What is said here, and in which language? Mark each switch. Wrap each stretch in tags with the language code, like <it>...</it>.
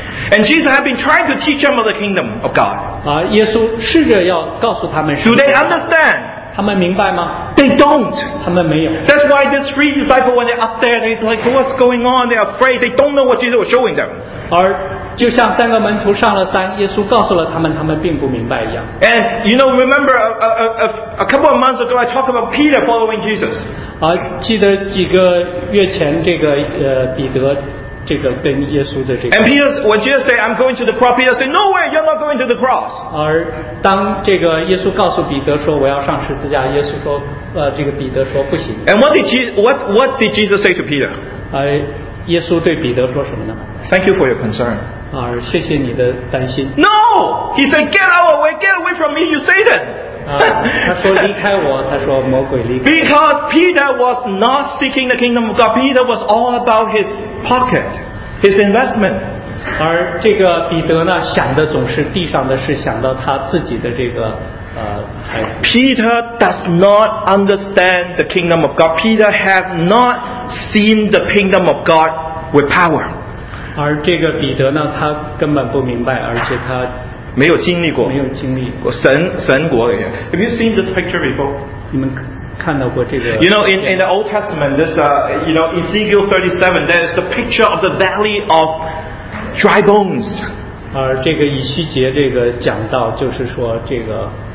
<en>And Jesus had been trying to teach them of the kingdom of God.</en> <zh>耶稣试着要告诉他们。</zh> <en>Do they understand?</en> <zh>他们明白吗</zh> <en>？They don't.</en> <zh>他们没有。</zh> <en>That's why the three disciples when they're up there, they're like, "What's going on?" They're afraid. They don't know what Jesus was showing them.</en> <zh>就像三个门徒上了山，耶稣告诉了他们，他们并不明白一样。</zh> <en>And you know, remember a couple of months ago, I talked about Peter following Jesus.</en> <zh>啊，记得几个月前这个彼得。这个跟耶稣的这个、</zh> <en>And Peter, when Jesus said, "I'm going to the cross," Peter said, "No way, you're not going to the cross."</en> <zh>而当这个耶稣告诉彼得说我要上十字架，耶稣说，这个彼得说不行。</zh> <en>And what did Jesus say to Peter?</en> <zh>耶稣对彼得说什么呢</zh> <en>？Thank you for your concern.</en> <zh>而谢谢你的担心。</zh> <en>No, he said, "Get out of way, get away from me, you Satan."</en> <zh>他说离开我，他说魔鬼离开。</zh> <en>Because Peter was not seeking the kingdom of God. Peter was all about his pocket, his investment.</en> <zh>而这个彼得呢，想的总是地上的事，想到他自己的这个财富。</zh> <en>Peter does not understand the kingdom of God. Peter has not seen the kingdom of God with power.</en> <zh>而这个彼得呢，他根本不明白，而且他。没有经历过，没有经历过神国。</zh> <en>Have you seen this picture before?</en> <zh>你们看到过这个</zh> <en>？You know, in the Old Testament, this you know, Ezekiel 37, there is a picture of the valley of dry bones.</en> <zh>而这个以西结这个讲到，就是说这个</zh>